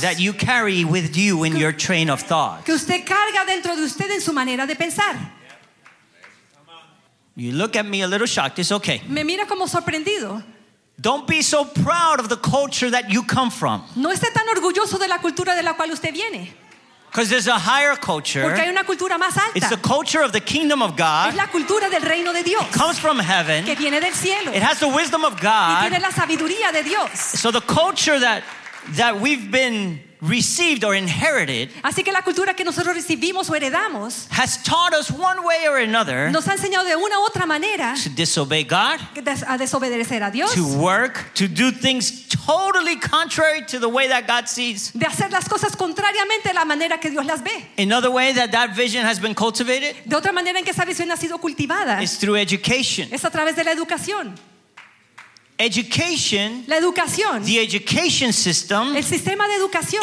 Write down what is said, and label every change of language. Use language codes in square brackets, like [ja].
[en] that you carry with you in your train of thought. [es] Que usted carga dentro de usted en su manera de pensar. [en] You look at me a little shocked. It's okay. [es] Me mira como sorprendido. [en] Don't be so proud of the culture that you come from. [es] No esté tan orgulloso de la cultura de la cual usted viene. [en] Because there's a higher culture. [es] Porque hay una cultura más alta. [en] It's the culture of the kingdom of God. [es] Es la cultura del reino de Dios. [en] It comes from heaven. [es] Que viene del cielo. [en] It has the wisdom of God. [es] Y tiene la sabiduría de Dios. [en] So the culture that we've been received or inherited, [es] así que la cultura que nosotros recibimos o heredamos, [en] has taught us one way or another, [es] nos ha enseñado de una u otra manera, [en] to disobey God, [es] a desobedecer a Dios, [en] to work, to do things totally contrary to the way that God sees, [es] de hacer las cosas contrariamente a la manera que Dios las ve. [en] Another way that vision has been cultivated, [es] de otra manera en que esa visión ha sido cultivada, [en] is through education, [es] es a través de la educación. [en] Education, [es] la educación, [en] the education system, [es] el sistema de educación,